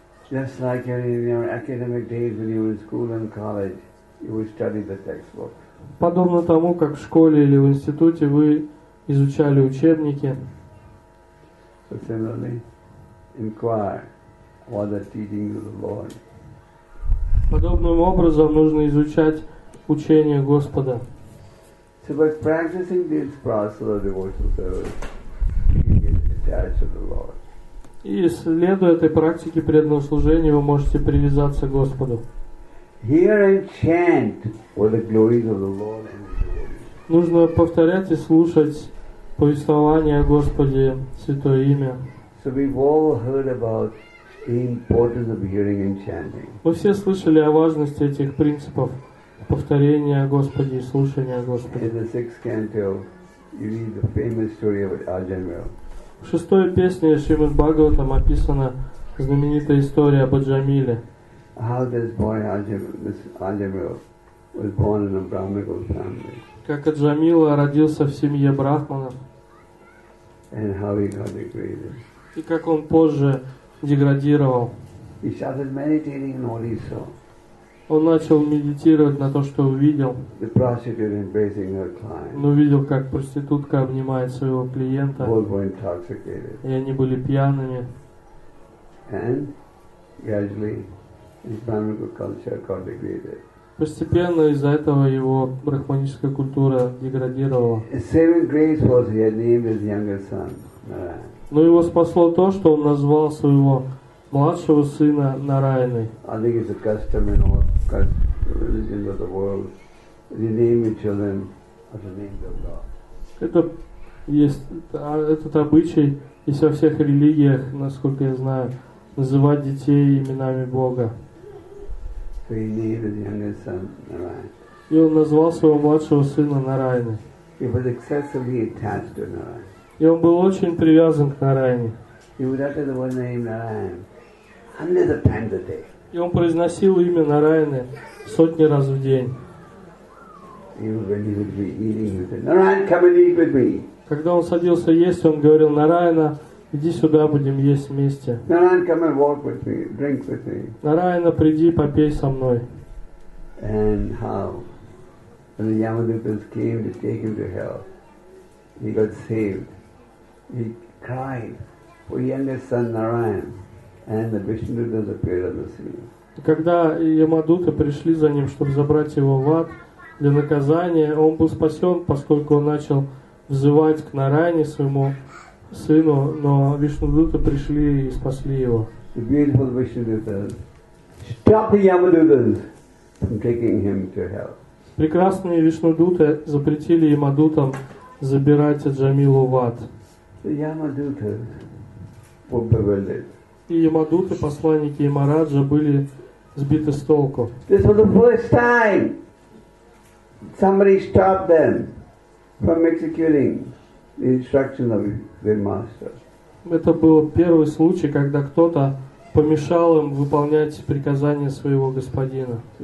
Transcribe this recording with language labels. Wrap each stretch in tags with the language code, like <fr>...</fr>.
<en>Just like in your academic days when you were in school and college, you would study the textbook.</en> <ru>Подобно тому, как в школе или в институте вы изучали учебники.</ru> <en>So similarly, inquire what the teachings of the Lord.</en> <ru>Подобным образом нужно изучать учения Господа.</ru> <en>So by practicing this process of devotional service, you get attached to the Lord.</en> <ru>И следуя этой практике преданного служения, вы можете привязаться к Господу.</ru> <en>Hear and chant with the glories of the Lord.</en> <ru>Нужно повторять и слушать повествование о Господе, Святое Имя.</ru> <en>So we've all heard about the importance of hearing and chanting.</en> <ru>Мы все слышали о важности этих принципов повторения о Господе и слушания о Господе.</ru> <en>In the sixth canto, you read the famous story of Ajamil.</en> <ru>В шестой песне Шримад Бхагаватам описана знаменитая история об Аджамиле.</ru> <en>How this boy Ajamil was born in a Brahmical family.</en> <ru>Как Аджамила родился в семье брахманов.</ru> <en>And how he got degraded.</en> <ru>И как он позже деградировал.</ru> <en>He started meditating on what he saw.</en> <ru>Он начал медитировать на то, что увидел.</ru> <en>The prostitute embracing her client.</en> <ru>Он увидел, как проститутка обнимает своего клиента.</ru> <en>Both were intoxicated.</en> <ru>И они были пьяными.</ru> <en>And gradually, his brahmanical culture got degraded.</en> <ru>Постепенно из-за этого его брахманическая культура деградировала.</ru> <en>Saving grace was he had named his younger son, Narayan.</en> <ru>Но его спасло то, что он назвал своего младшего сына Нарайной.</ru> <en>I think it's a custom in all religions of the world. Renaming children after names of God.</en> <ru>Это есть этот обычай, есть во всех религиях, насколько я знаю, называть детей именами Бога.</ru> <en>So he named his youngest son Narayan.</en> <ru>И он назвал своего младшего сына Нарайной.</ru> <en>He was excessively attached to Narayan.</en> <ru>И он был очень привязан к Нарайне.</ru> <en>He would utter the one name Narayan. Hundreds of times a day.</en> <ru>И он произносил имя Нарайны сотни раз в день.</ru> <en>Even when he would be eating, he said, "Narayan, come and eat with me."</en> <ru>Когда он садился есть, он говорил: "Нарайна, иди сюда, будем есть вместе."</ru> <en>Narayan, come and walk with me, drink with me.</en> <ru>Нарайна, приди, попей со мной.</ru> <en>And how, when the Yamadutas came to take him to hell, he got saved. He cried for youngest son Narayan. And the Vishnudas appeared on the scene.</en> <ru>Когда Ямадута пришли за ним, чтобы забрать его в ад для наказания, он был спасен, поскольку он начал взывать к Нарайне, своему сыну, но Вишнудута пришли и спасли его.</ru> <en>The beautiful Vishnudas stop the Yamadutas from taking him to hell.</en> <ru>Прекрасные Вишнудуты запретили Ямадутам забирать Аджамилу в ад. И Ямадуты, посланники Ямараджа, были сбиты с толку.</ru> <en>This was the first time somebody stopped them from executing the instructions of their master.</en> <ru>Это был первый случай, когда кто-то помешал им выполнять приказания своего господина.</ru>